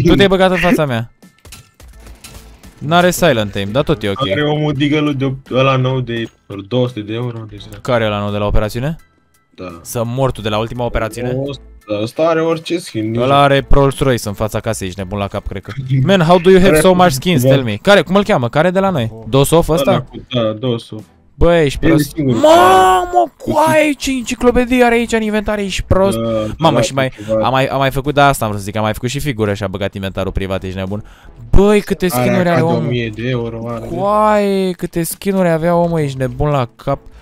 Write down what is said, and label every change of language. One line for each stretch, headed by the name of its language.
Romanian: Tu te-ai băgat în fața mea. N-are silent aim, dar tot e ok. Are omul digălu de ăla nou de 200 de euro. Care e ăla nou de la operațiune? Da. Să mor tu de la ultima operațiune? Ăsta are orice skin. Ăla are Rolls Royce în fața casei, ești nebun la cap, cred că.
English: Man, how do you have so much skins, tell me?
Romanian: Care, cum îl cheamă? Care de la noi? Dosof ăsta? Da, Dosof. Bă, ești prost. Mamă, coaie, ce enciclopedie are aici în inventar, ești prost. Mamă, și mai am mai făcut, da, asta am vrut să zic, am mai făcut și figură și a băgat inventarul privat, ești nebun. Băi, câte skinuri are omul. 1000 de euro are. Coaie, câte skinuri avea omul, ești nebun la cap.